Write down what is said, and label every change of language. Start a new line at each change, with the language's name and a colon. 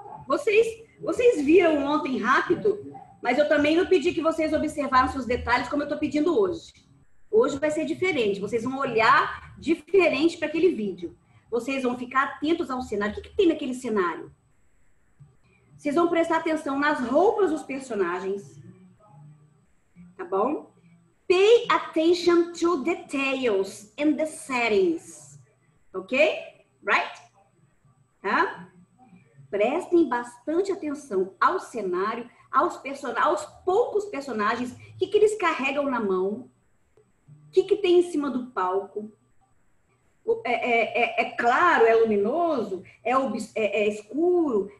Portuguese: Vocês viram ontem rápido, mas eu também não pedi que vocês observassem os detalhes como eu estou pedindo hoje. Hoje vai ser diferente. Vocês vão olhar diferente para aquele vídeo. Vocês vão ficar atentos ao cenário. O que tem naquele cenário? Vocês vão prestar atenção nas roupas dos personagens. Tá bom?
English: Pay attention to details and the settings. Ok? Right? Tá?
Portuguese: Prestem bastante atenção ao cenário, aos poucos personagens. O que eles carregam na mão? O que tem em cima do palco? É claro? É luminoso? É escuro?